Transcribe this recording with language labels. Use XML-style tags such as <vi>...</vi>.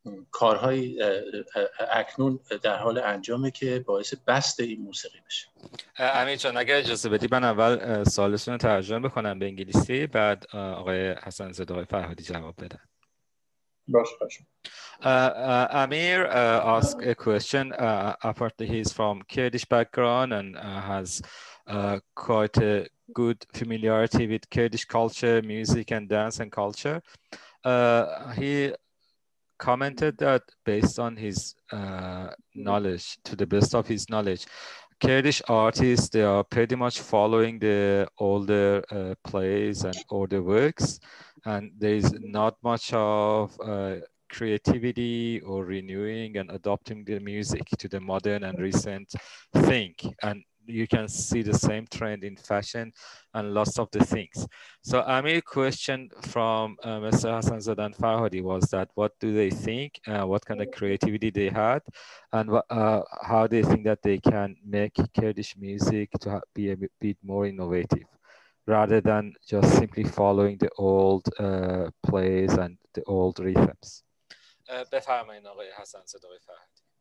<fa>کارهای اکنون در حال انجامه که باعث بست این موسیقی بشه. امین جان اگر اجازه بدی من اول سوالتون رو ترجمه بکنم به انگلیسی بعد آقای حسن زاده آقای فرهادی جواب بدن.</fa> <en>Amir asked a question. Apparently, he's from Kurdish background and has quite a good familiarity with Kurdish culture, music, and dance and culture. He commented that based on his knowledge, to the best of his knowledge, Kurdish artists, they are pretty much following the older plays and older works. And there is not much of creativity or renewing and adopting the music to the modern and recent thing. And you can see the same trend in fashion and lots of the things. So Amir's question from Mr. Hassanzadeh and Farhadi was that, what do they think? What kind of creativity they had? And how do they think that they can make Kurdish music to be a bit more innovative, rather than just simply following the old plays and the old rhythms?</en> <fa>بفرمایید آقای حسن صدای فرهادی.</fa>